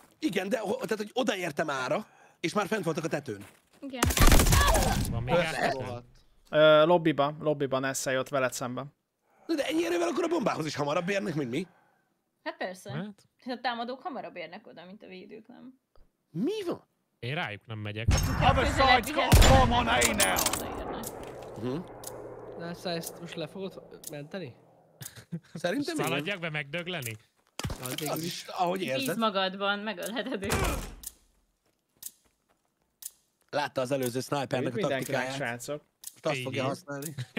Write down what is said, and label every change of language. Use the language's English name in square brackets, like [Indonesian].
[Hungarian] Igen, de tehát, hogy odaértem ára, és már fent voltak a tetőn. Igen. Lobbiban, Esze jött veled szemben. Na, de ennyi erővel akkor a bombához is hamarabb érnek, mint mi? Hát persze. Hát? A támadók hamarabb érnek oda, mint a védők, nem? Mi van? Én rájuk nem megyek. [English] Other side's got a bomb on A now! [Hungarian] Na, szóval ezt most le fogod menteni? Szerintem igen. Szaladjak be megdögleni? Az is, ahogy érzed. Bíz magadban, megölheted őt. Látta az előző snipernek a taktikáját. Mindenkinek, srácok. Most azt fogja használni.